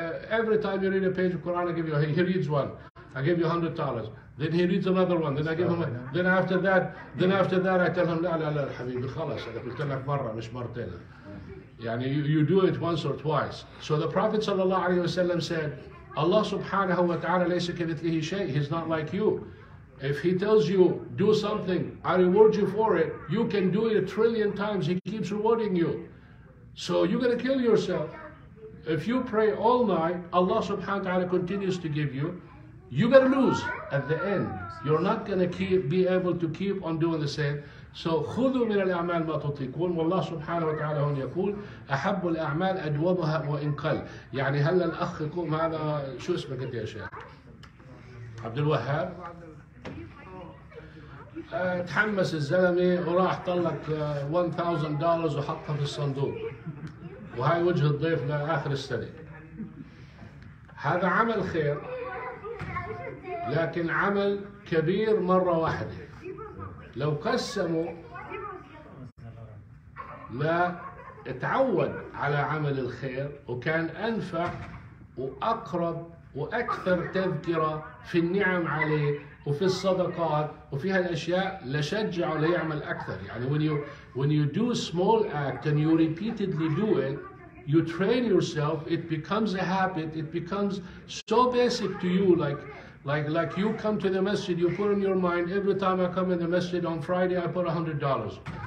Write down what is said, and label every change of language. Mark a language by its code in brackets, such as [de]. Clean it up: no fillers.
[en] Every time you read a page of Quran, I give you. He reads one, I give you $100. Then he reads another one. Then I give him. Then after that, I tell him, [ar] لا لا لا حبيبي خلاص. أنا قلت لك مرة مش مرتين. [en] يعني you do it once or twice. So the Prophet صلى الله عليه وسلم said, Allah سبحانه وتعالى [ar] ليس كمثله شيء. [en] He's not like you. If He tells you do something, I reward you for it. You can do it a trillion times. He keeps rewarding you. So you're gonna kill yourself. If you pray all night, Allah سبحانه وتعالى continues to give you. You better lose at the end. You're not going to be able to keep on doing the same. [ar] So خذوا من الأعمال ما تطيقون. والله سبحانه وتعالى هون يقول أحب الأعمال أدومها وإن قل. يعني هلا الأخ يقوم هذا شو اسمك أنت يا شيخ؟ عبد الوهاب. تحمس الزلمة وراح طلق $1,000 وحطها في الصندوق. وهاي وجه الضيف لآخر السنة. هذا عمل خير، لكن عمل كبير مرة واحدة. لو قسموا لا اتعود على عمل الخير وكان أنفع وأقرب وأكثر تذكرة في النعم عليه وفي الصدقات وفي هالأشياء لشجعه ليعمل أكثر. [en] يعني when you do small act and you repeatedly do it, you train yourself, it becomes a habit, it becomes so basic to you, like you come to the masjid, you put in your mind, every time I come in the masjid on Friday, I put $100.